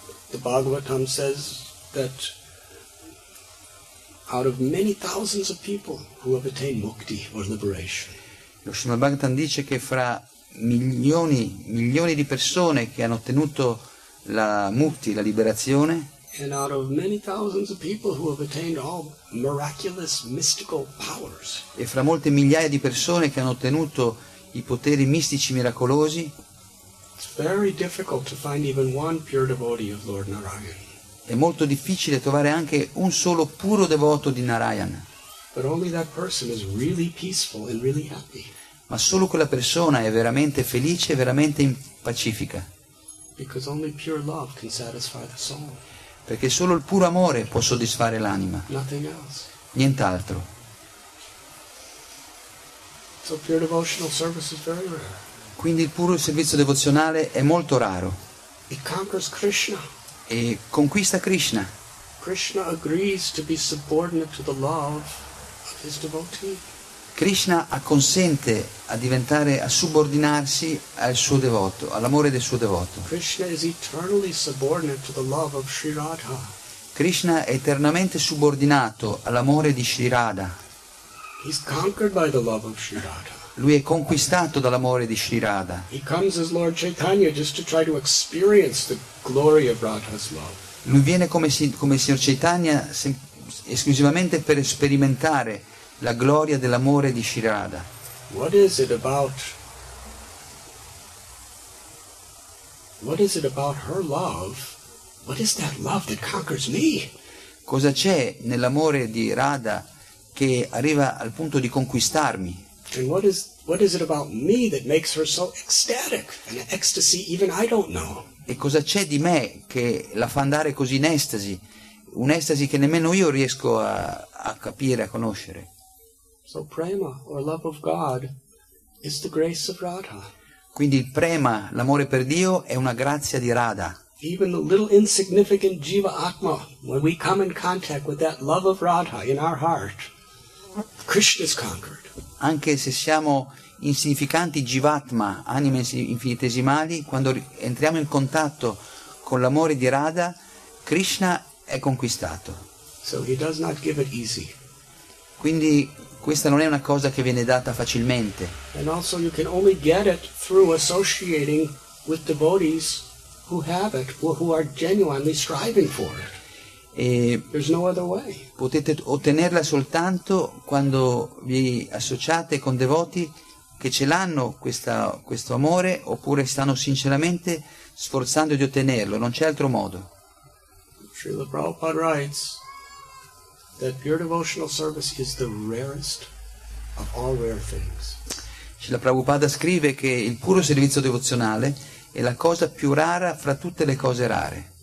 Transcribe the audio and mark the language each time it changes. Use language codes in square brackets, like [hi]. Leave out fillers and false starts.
[en] The Bhagavatam says that out of many thousands of people who have attained mukti or liberation. [it] Lo Srimad Bhagavatam dice che fra milioni, milioni di persone che hanno ottenuto la mukti, la liberazione. [en] And out of many thousands of people who have attained all miraculous mystical powers. [it] E fra molte migliaia di persone che hanno ottenuto i poteri mistici miracolosi. [en] It's very difficult to find even one pure devotee of Lord Narayana. [it] È molto difficile trovare anche un solo puro devoto di Narayana. [en] But only that person is really peaceful and really happy. [it] Ma solo quella persona è veramente felice e veramente pacifica. [en] Because only pure love can satisfy the soul. [it] Perché solo il puro amore può soddisfare l'anima. [en] Nothing else. [it] Nient'altro. [en] So pure devotional service is very rare. [it] Quindi il puro servizio devozionale è molto raro. [en] It conquers Krishna. [it] E conquista Krishna. [en] Krishna agrees to be subordinate to the love of his devotee. [it] Krishna acconsente a diventare, a subordinarsi al suo devoto, all'amore del suo devoto. [en] Krishna is eternally subordinate to the love of Sri Radha. [it] Krishna è eternamente subordinato all'amore di Sri Radha. [en] He's conquered by the love of Sri Radha. [it] lui è conquistato dall'amore di Sri Radha. [en] He comes as Lord Chaitanya just to try to experience the glory of Radha's love. [it] Lui viene come Signor Chaitanya esclusivamente per sperimentare la gloria dell'amore di Sri Radha. [en] What is it about her love? What is that love that conquers me? [it] Cosa c'è nell'amore di Radha che arriva al punto di conquistarmi? [en] And what is it about me that makes her so ecstatic, an ecstasy even I don't know? [it] E cosa c'è di me che la fa andare così in estasi, un'estasi che nemmeno io riesco a capire, a conoscere? [en] So prema, or love of God, is the grace of Radha. [it] Quindi il prema, l'amore per Dio, è una grazia di Radha. [en] Even the little insignificant jiva atma, when we come in contact with that love of Radha in our heart, Krishna is conquered. [it] Anche se siamo insignificanti jivatma, anime infinitesimali, quando entriamo in contatto con l'amore di Radha, Krishna è conquistato. [en] So he does not give it easy. [it] Quindi questa non è una cosa che viene data facilmente. [en] And also you can only get it through associating with devotees who have it or who are genuinely striving for it. There's no other way. [it] Potete ottenerla soltanto quando vi associate con devoti che ce l'hanno questo amore, oppure stanno sinceramente sforzando di ottenerlo. Non c'è altro modo. [en] Srila Prabhupada writes that pure devotional service is the rarest of all rare things. [it] Srila Prabhupada scrive che il puro servizio devozionale è la cosa più rara fra tutte le cose rare.